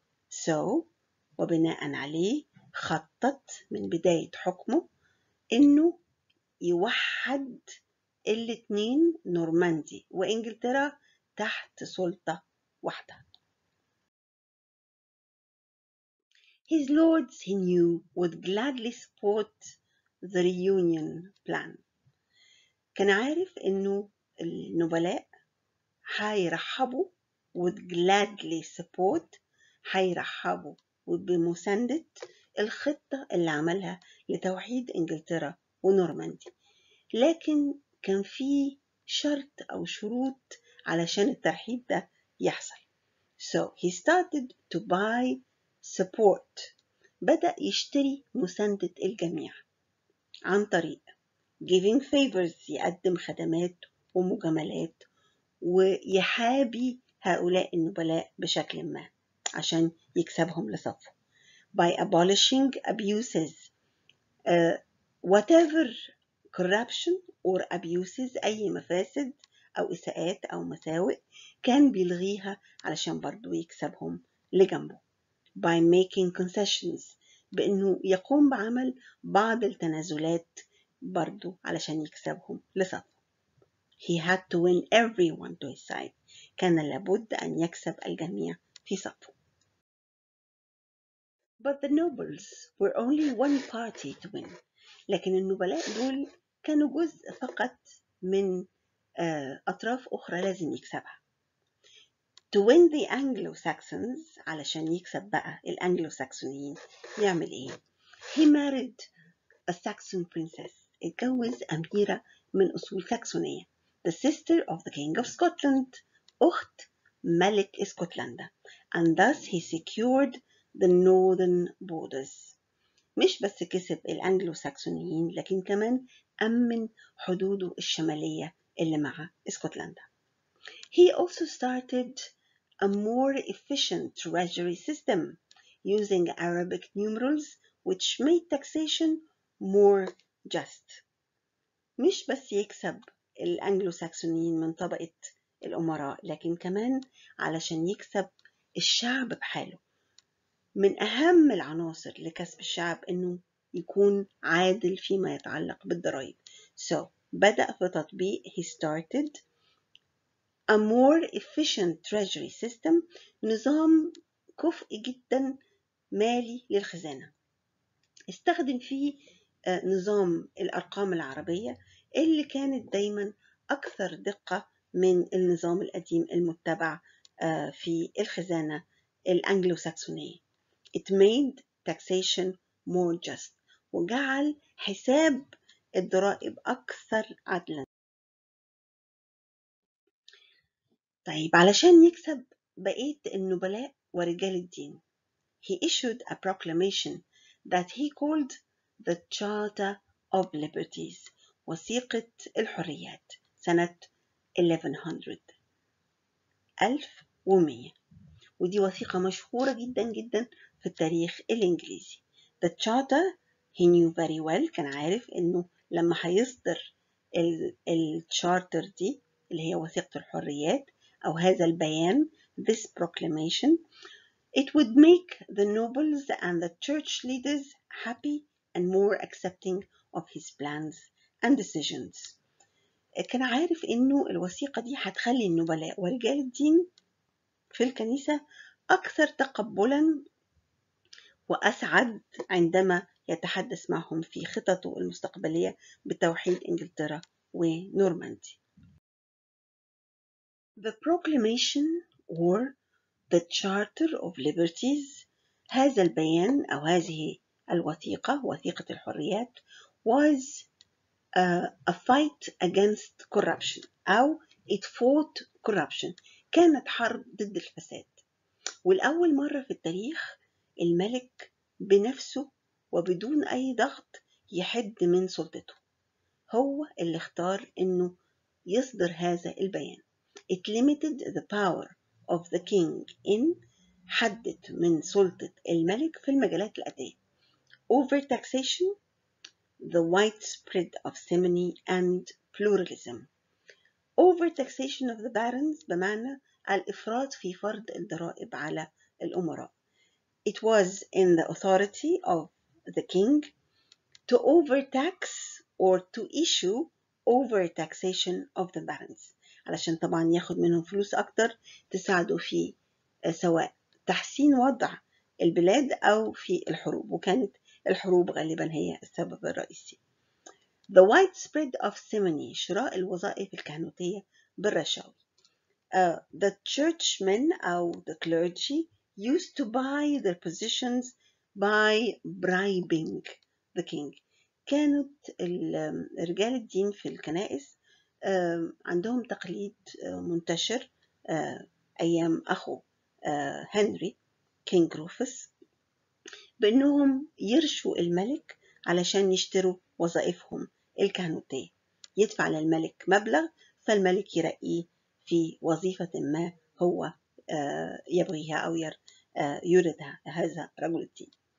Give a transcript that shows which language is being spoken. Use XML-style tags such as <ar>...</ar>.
<ar>So وبناء عليه خطط من بداية حكمه إنه يوحد الاثنين نورماندي وإنجلترا تحت سلطة واحدة.</ar> <en>His lords he knew would gladly support the reunion plan.</en> <ar>كان عارف إنه النبلاء حيرحبوا</ar> <en>would gladly support</en> <ar>حيرحبوا وبمساندة الخطة اللي عملها لتوحيد انجلترا ونورماندي، لكن كان في شرط او شروط علشان الترحيب ده يحصل.</ar> <en>So he started to buy support.</en> <ar>بدأ يشتري مساندة الجميع عن طريق</ar> <en>giving favors</en> <ar>يقدم خدمات ومجاملات ويحابي هؤلاء النبلاء بشكل ما عشان يكسبهم لصفه.</ar> <en>By abolishing abuses, whatever corruption or abuses,</en> <ar>أي مفاسد أو إساءات أو مساوئ كان بيلغيها علشان برضو يكسبهم لجنبه.</ar> <en>By making concessions,</en> <ar>بأنه يقوم بعمل بعض التنازلات برضو علشان يكسبهم لصفه.</ar> <en>He had to win everyone to his side.</en> <ar>كان لابد أن يكسب الجميع في صفه.</ar> <en>But the nobles were only one party to win.</en> <ar>لكن النبلاء دول كانوا جزء فقط من أطراف أخرى لازم يكسبها.</ar> <en>To win the Anglo-Saxons,</en> <ar>علشان يكسب بقى الأنجلو-ساكسونيين يعمل إيه؟</ar> <en>He married a Saxon princess. اتجوز أميرة من أصول ساكسونية. The sister of the King of Scotland,</en> <ar>أخت ملك اسكتلندا.</ar> <en>And thus he secured the northern borders.</en> <ar>مش بس كسب الأنجلو-ساكسونيين لكن كمان أمن حدوده الشمالية اللي مع اسكتلندا.</ar> <en>He also started a more efficient treasury system using Arabic numerals which made taxation more just.</en> <ar>مش بس يكسب الأنجلو-ساكسونيين من طبقة الأمراء لكن كمان علشان يكسب الشعب بحاله. من أهم العناصر لكسب الشعب إنه يكون عادل فيما يتعلق بالضرائب. So بدأ في تطبيق</ar> <en>he started a more efficient treasury system</en> <ar>نظام كفء جدا مالي للخزانة. استخدم فيه نظام الأرقام العربية اللي كانت دايما أكثر دقة من النظام القديم المتبع في الخزانة الأنجلو-ساكسونية.</ar> <en>It made taxation more just.</en> <ar>وجعل حساب الضرائب أكثر عدلا. طيب علشان يكسب بقية النبلاء ورجال الدين.</ar> <en>He issued a proclamation that he called the Charter of Liberties.</en> <ar>وثيقة الحريات سنة 1100. 1100، ودي وثيقة مشهورة جدا جدا في التاريخ الإنجليزي.</ar> <en>The charter he knew very well،</en> <ar>كان عارف إنه لما هيصدر الشارتر دي اللي هي وثيقة الحريات أو هذا البيان</ar> <en>this proclamation، it would make the nobles and the church leaders happy and more accepting of his plans and decisions.</en> <ar>كان عارف إنه الوثيقة دي هتخلي النبلاء ورجال الدين في الكنيسة أكثر تقبلا وأسعد عندما يتحدث معهم في خططه المستقبلية بتوحيد إنجلترا ونورماندي.</ar> <en>The proclamation or the charter of liberties،</en> <ar>هذا البيان أو هذه الوثيقة وثيقة الحريات،</ar> <en>was a fight against corruption أو it fought corruption،</en> <ar>كانت حرب ضد الفساد. والأول مرة في التاريخ الملك بنفسه وبدون أي ضغط يحد من سلطته، هو اللي اختار إنه يصدر هذا البيان.</ar> <en>It limited the power of the king in،</en> <ar>حدد من سلطة الملك في المجالات الأتية:</ar> <en>over taxation، the widespread of simony and pluralism. Over taxation of the barons،</en> <ar>بمعنى الإفراط في فرض الضرائب على الأمراء.</ar> <en>It was in the authority of the king to overtax or to issue overtaxation of the barons،</en> <ar>علشان طبعا ياخد منهم فلوس أكتر تساعده في سواء تحسين وضع البلاد أو في الحروب، وكانت الحروب غالبا هي السبب الرئيسي.</ar> <en>The widespread of simony،</en> <ar>شراء الوظائف الكهنوتية بالرشاوي.</ar> <en>The churchmen أو the clergy used to buy their positions by bribing the king، كانت</en> <ar>رجال الدين في الكنائس عندهم تقليد منتشر أيام أخو هنري كينج روفس بأنهم يرشوا الملك علشان يشتروا وظائفهم الكهنوتية، يدفع للملك مبلغ فالملك يرقيه في وظيفة ما هو يبغيها أو يريدها هذا رجل الدين.</ar>